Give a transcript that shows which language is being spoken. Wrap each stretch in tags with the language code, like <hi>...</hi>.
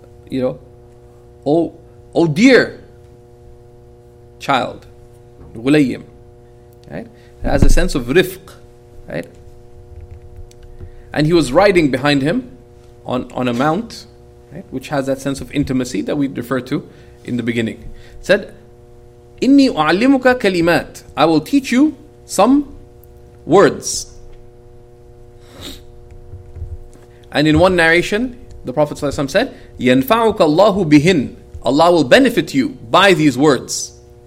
<en>you know, oh dear child, غليم, right? It has a sense of rifq, right? And he was riding behind him on a mount, right, which has that sense of intimacy that we refer to in the beginning. It said,</en> <ar>إني أعلمك كلمات.</ar> <en>I will teach you some words. And in one narration, the Prophet ﷺ said,</en> <ar>يَنْفَعُكَ اللَّهُ بِهِنْ.</ar> <en>Allah will benefit you by these words.</en>